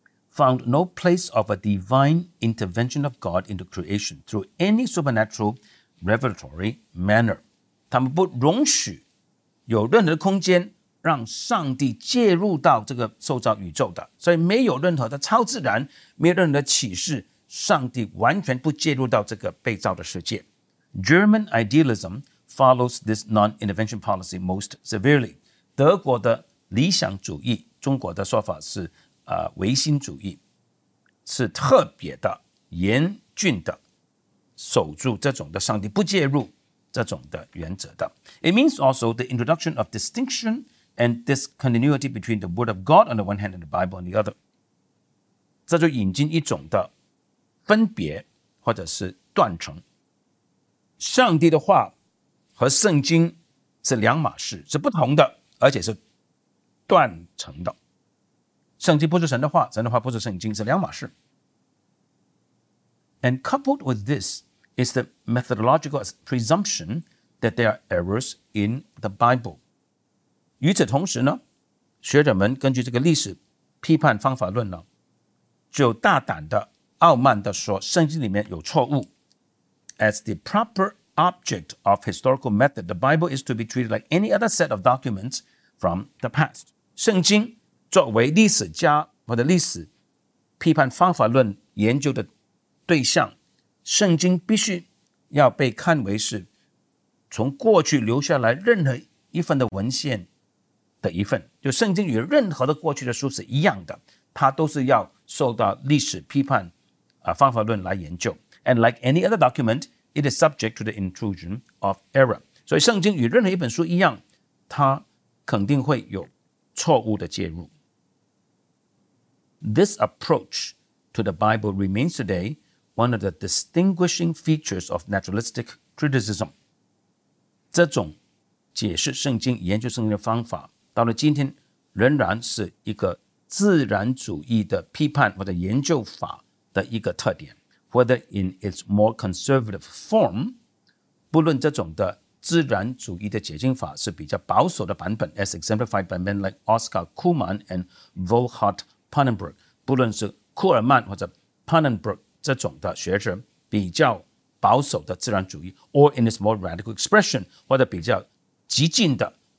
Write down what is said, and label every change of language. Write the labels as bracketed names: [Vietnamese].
[English] Found no place of a divine intervention of God into creation through any supernatural revelatory manner. [Chinese] 他们不容许有任何空间让上帝介入到这个受造宇宙的，所以没有任何的超自然，没有任何的启示，上帝完全不介入到这个被造的世界。 [English] German idealism follows this non-intervention policy most severely. [Chinese] 德国的理想主义，中国的说法是唯心主义，是特别的严峻的守住这种的上帝不介入这种的原则的。 [English] It means also the introduction of distinction and discontinuity between the word of God on the one hand and the Bible on the other. [Chinese] 这就引进一种的分别或者是断层。上帝的话和圣经是两码事，是不同的，而且是断层的。圣经不是神的话，神的话不是圣经，是两码事。 [English] And coupled with this is the methodological presumption that there are errors in the Bible. [Chinese] 与此同时呢，学者们根据这个历史批判方法论呢，就大胆的、傲慢的说圣经里面有错误。 [English] As the proper object of historical method, the Bible is to be treated like any other set of documents from the past. [Chinese] 圣经作为历史家或者历史批判方法论研究的对象，圣经必须要被看为是从过去留下来任何一份的文献的一份，就圣经与任何的过去的书是一样的，它都是要受到历史批判、方法论来研究。 [English] And like any other document, it is subject to the intrusion of error. [Chinese] 所以圣经与任何一本书一样，它肯定会有错误的介入。 [English] This approach to the Bible remains today one of the distinguishing features of naturalistic criticism. [Chinese] 这种解释圣经、研究圣经的方法到了今天仍然是一个自然主义的批判或者研究法的一个特点。 [English] Whether in its more conservative form, [Chinese] 不论这种的自然主义的解经法是比较保守的版本， [English] as exemplified by men like Oscar Kuhlmann and Volhard Pannenberg, [Chinese] 不论是库尔曼或者 Pannenberg 这种的学者比较保守的自然主义， [English] or in its more radical expression, [Chinese] 或者比较激进的、